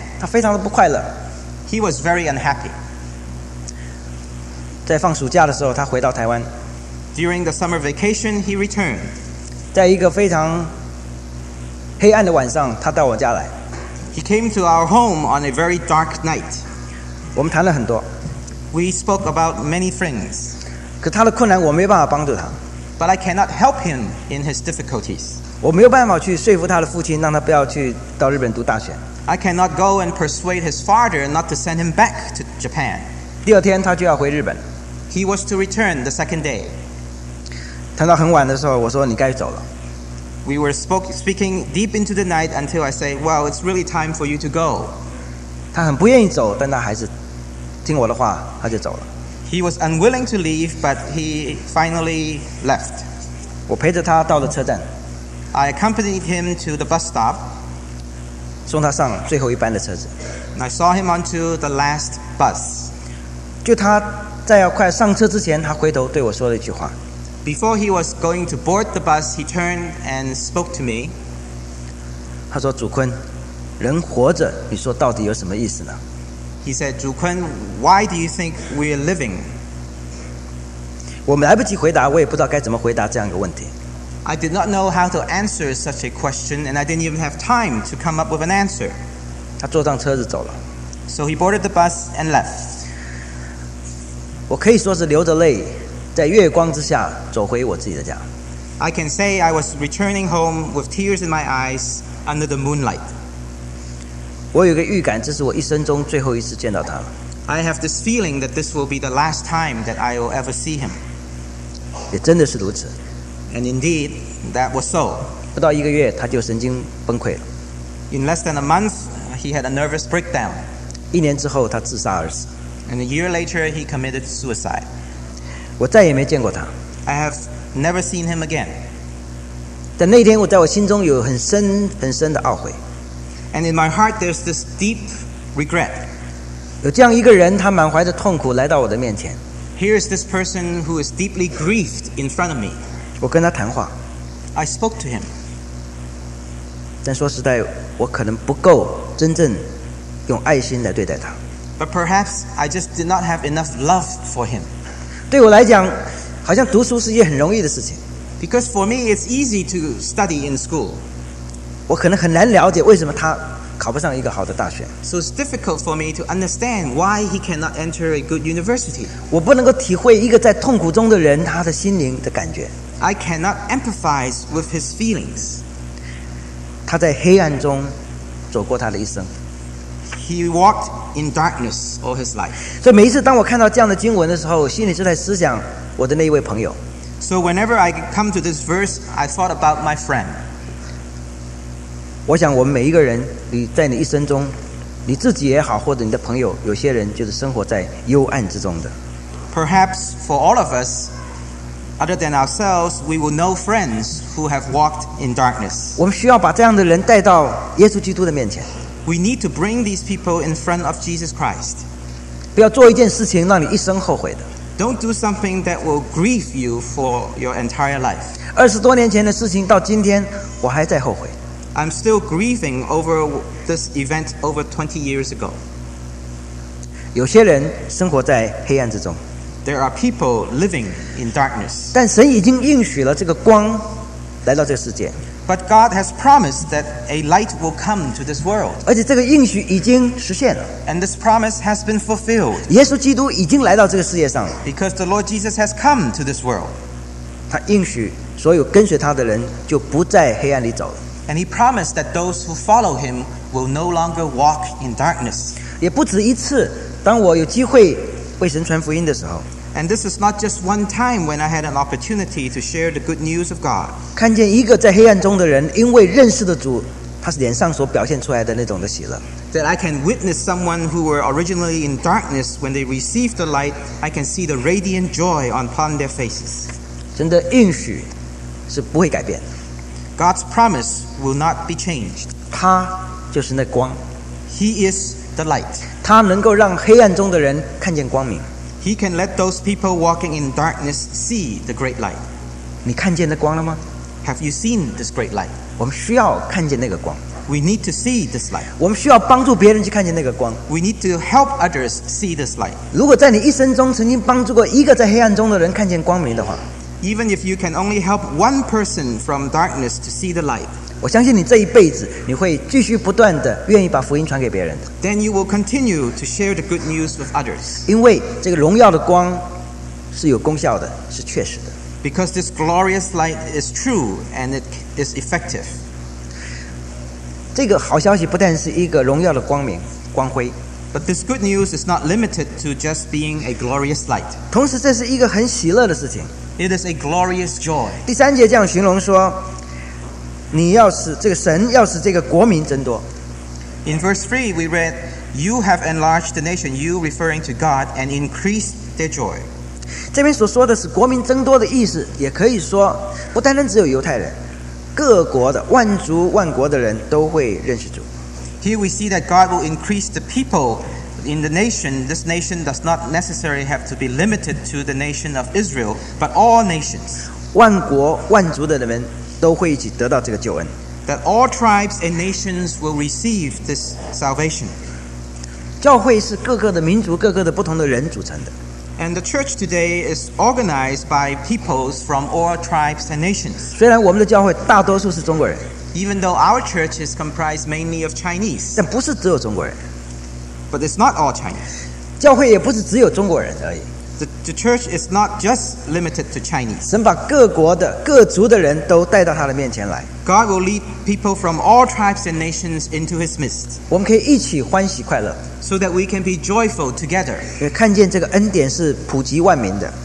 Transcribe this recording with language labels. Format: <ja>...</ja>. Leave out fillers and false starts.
<zh>他非常的不快乐。</zh> <en>He was very unhappy.</en> <zh>在放暑假的时候，他回到台湾。</zh> <en>During the summer vacation, he returned.</en> <zh>在一个非常黑暗的晚上，他到我家来。</zh> <en>He came to our home on a very dark night.</en> <zh>我们谈了很多。</zh> <en>We spoke about many things.</en> <zh>可他的困难，我没办法帮助他。</zh> <en>But I cannot help him in his difficulties.</en> <zh>我没有办法去说服他的父亲，让他不要去到日本读大学。</zh> <en>I cannot go and persuade his father not to send him back to Japan.</en> <zh>第二天他就要回日本。</zh> <en>He was to return the second day.</en> <zh>谈到很晚的时候，我说你该走了。</zh> <en>We were speaking deep into the night until I say, "Well, it's really time for you to go."</en> <zh>他很不愿意走，但他还是听我的话，他就走了。</zh> <en>He was unwilling to leave, but he finally left.</en> <zh>我陪着他到了车站。</zh> <en>I accompanied him to the bus stop.</en> <zh>送他上最后一班的车子。</zh> <en>And I saw him onto the last bus.</en> <zh>就他在要快上车之前，他回头对我说了一句话。</zh> <en>Before he was going to board the bus, he turned and spoke to me.</en> <zh>他说：“祖坤，人活着，你说到底有什么意思呢？”</zh> <en>He said, 主坤, why do you think we are living?</en> <zh>我们来不及回答，我也不知道该怎么回答这样一个问题。</zh> <en>I did not know how to answer such a question, and I didn't even have time to come up with an answer.</en> <zh>他坐上车子走了。</zh> <en>So he boarded the bus and left.</en> <zh>我可以说是流着泪，在月光之下走回我自己的家。</zh> <en>I can say I was returning home with tears in my eyes under the moonlight.</en> <zh>我有个预感，这是我一生中最后一次见到他。</zh> <en>I have this feeling that this will be the last time that I will ever see him.</en> <zh>也真的是如此。</zh> <en>And indeed, that was so.</en> <zh>不到一个月，他就神经崩溃了。</zh> <en>In less than a month, he had a nervous breakdown.</en> <zh>一年之后，他自杀而死。</zh> <en>And a year later, he committed suicide.</en> <zh>我再也没见过他。</zh> <en>I have never seen him again.</en> <zh>但那天，我在我心中有很深很深的懊悔。</zh> <en>And in my heart, there's this deep regret.</en> <zh>有这样一个人，他满怀着痛苦来到我的面前。</zh> <en>Here is this person who is deeply grieved in front of me.</en> <zh>我跟他谈话。</zh> <en>I spoke to him.</en> <zh>但说实在，我可能不够真正用爱心来对待他。</zh> <en>But perhaps I just did not have enough love for him.</en> <zh>对我来讲，好像读书是一件很容易的事情。</zh> <en>Because for me, it's easy to study in school.</en> <zh>我可能很难了解为什么他考不上一个好的大学。</zh> <en>So it's difficult for me to understand why he cannot enter a good university.</en> <zh>我不能够体会一个在痛苦中的人他的心灵的感觉。</zh> <en>I cannot empathize with his feelings.</en> <zh>他在黑暗中走过他的一生。</zh> <en>He walked in darkness all his life.</en> <zh>所以每一次当我看到这样的经文的时候，心里就在思想我的那一位朋友。</zh> <en>So whenever I come to this verse, I thought about my friend.</en> <zh>我想我们每一个人，你在你一生中，你自己也好，或者你的朋友，有些人就是生活在幽暗之中的。</zh> <en>Perhaps for all of us, other than ourselves, we will know friends who have walked in darkness.</en> <zh>我们需要把这样的人带到耶稣基督的面前。</zh> <en>We need to bring these people in front of Jesus Christ.</en> <zh>不要做一件事情让你一生后悔的。</zh> <en>Don't do something that will grieve you for your entire life.</en> <zh>二十多年前的事情到今天，我还在后悔。</zh> <en>I'm still grieving over this event over 20 years ago.</en> <zh>有些人生活在黑暗之中。</zh> <en>There are people living in darkness.</en> <zh>但神已经应许了这个光来到这个世界。</zh> <en>But God has promised that a light will come to this world.</en> <zh>而且这个应许已经实现了。</zh> <en>And this promise has been fulfilled.</en> <zh>耶稣基督已经来到这个世界上了。</zh> <en>Because the Lord Jesus has come to this world.</en> <zh>他应许所有跟随他的人就不在黑暗里走了。</zh> <en>And he promised that those who follow him will no longer walk in darkness.</en> <zh>也不止一次，当我有机会为神传福音的时候。</zh> <en>And this is not just one time when I had an opportunity to share the good news of God.</en> <zh>看见一个在黑暗中的人，因为认识了主，他脸上所表现出来的那种的喜乐。</zh> <en>That I can witness someone who were originally in darkness when they received the light, I can see the radiant joy upon their faces.</en> <zh>真的应许是不会改变的。</zh> <en>God's promise will not be changed.</en> <zh>他就是那光。</zh> <en>He is the light.</en> <zh>他能够让黑暗中的人看见光明。</zh> <en>He can let those people walking in darkness see the great light.</en> <zh>你看见那光了吗？</zh> <en>Have you seen this great light?</en> <zh>我们需要看见那个光。</zh> <en>We need to see this light.</en> <zh>我们需要帮助别人去看见那个光。</zh> <en>We need to help others see this light.</en> <zh>如果在你一生中曾经帮助过一个在黑暗中的人看见光明的话，</zh> <en>Even if you can only help one person from darkness to see the light,</en> <zh>我相信你这一辈子你会继续不断的愿意把福音传给别人的。</zh> <en>Then you will continue to share the good news with others.</en> <zh>因为这个荣耀的光是有功效的，是确实的。</zh> <en>Because this glorious light is true and it is effective.</en> <zh>这个好消息不但是一个荣耀的光明光辉。</zh> <en>But this good news is not limited to just being a glorious light.</en> <zh>同时这是一个很喜乐的事情。</zh> <en>It is a glorious joy.</en> <zh>第三节这样形容说，你要使这个神要使这个国民增多。</zh> <en>In verse 3, we read, "You have enlarged the nation." You referring to God and increased their joy.</en> <zh>这边所说的是国民增多的意思，也可以说不单单只有犹太人，各国的万族万国的人都会认识主。</zh> <en>Here we see that God will increase the people in the nation. This nation does not necessarily have to be limited to the nation of Israel, but all nations.</en> <zh>万国万族的人都会一起得到这个救恩。</zh> <en>That all tribes and nations will receive this salvation.</en> <zh>教会是各个的民族、各个的不同的人组成的。</zh> <en>And the church today is organized by peoples from all tribes and nations.</en> <zh>虽然我们的教会大多数是中国人。</zh> <en>Even though our church is comprised mainly of Chinese.</en> <zh>但不是只有中国人。</zh> <en>But it's not all Chinese.</en> <zh>教会也不是只有中国人而已。</zh> <en>The church is not just limited to Chinese.</en> <zh>神把各国的、各族的人都带到他的面前来。</zh> <en>God will lead people from all tribes and nations into His midst.</en> <zh>我们可以一起欢喜快乐。</zh> <en>So that we can be joyful together.</en> <zh>看见这个恩典是普及万民的。</zh>